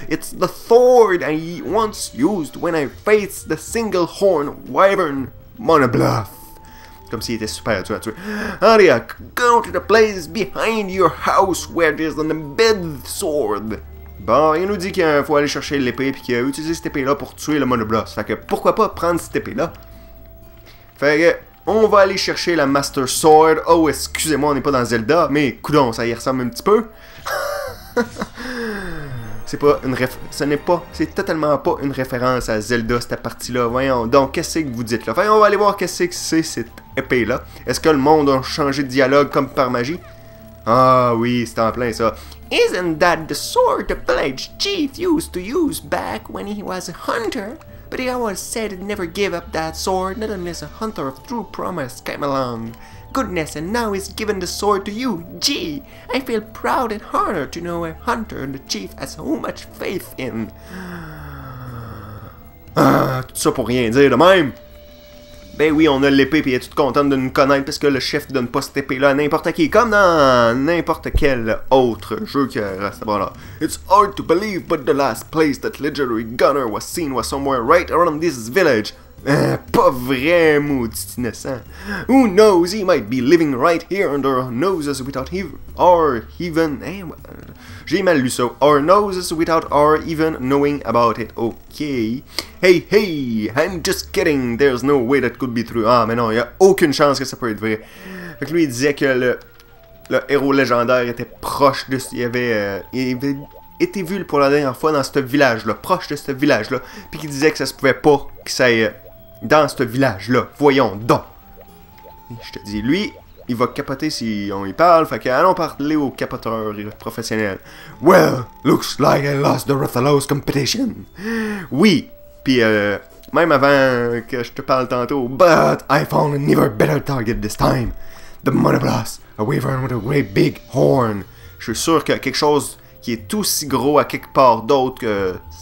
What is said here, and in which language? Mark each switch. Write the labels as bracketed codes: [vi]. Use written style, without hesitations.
[en] It's the sword I once used when I faced the single horn wyvern [fr] Monoblos. Comme s'il était super dur à tuer. Aria, [en] go to the place behind your house where there's an embedded sword. [fr] Bon, il nous dit qu'il faut aller chercher l'épée et qu'il a utilisé cette épée-là pour tuer le Monoblos. Fait que pourquoi pas prendre cette épée-là? Fait que on va aller chercher la Master Sword. Oh, excusez-moi, on n'est pas dans Zelda, mais coudonc, ça y ressemble un petit peu. C'est totalement pas une référence à Zelda, cette partie-là, voyons. Donc, qu'est-ce que vous dites, là? Enfin, on va aller voir qu'est-ce que c'est, cette épée-là. Est-ce que le monde a changé de dialogue comme par magie? Ah oui, c'est en plein, ça. [en] Isn't that the sword the village chief used to use back when he was a hunter? But he always said he'd never give up that sword, not unless a hunter of true promise came along. Goodness, and now he's given the sword to you. Gee, I feel proud and honored to know a hunter and the chief has so much faith in. [fr] Tout ça pour rien dire de même. Ben oui, on a l'épée puis est toute contente de nous connaître parce que le chef donne pas cette épée là à n'importe qui, comme dans n'importe quel autre jeu qui reste. Voilà. [en] It's hard to believe, but the last place that legendary gunner was seen was somewhere right around this village. [fr] Pas vrai, maudit innocent. [en] Who knows, he might be living right here under our noses without our even... [fr] J'ai mal lu ça. [en] Our noses without our even knowing about it. Ok. Hey, hey, I'm just kidding. There's no way that could be true. [fr] Ah, mais non, il y a aucune chance que ça peut être vrai. Fait que lui, il disait que le héros légendaire était proche de... Il avait été vu pour la dernière fois dans ce village-là. Proche de ce village-là. Puis qu'il disait que ça se pouvait pas que ça aille... dans ce village-là, voyons donc. Je te dis, lui, il va capoter si on y parle, fait que allons parler au capoteur professionnel. [en] Well, looks like I lost the Rathalos competition. [fr] Oui, pis même avant que je te parle tantôt, [en] but I found an even better target this time. The Monoblos, a weaver with a great big horn. [fr] Je suis sûr qu'il y a quelque chose qui est aussi gros à quelque part d'autre que...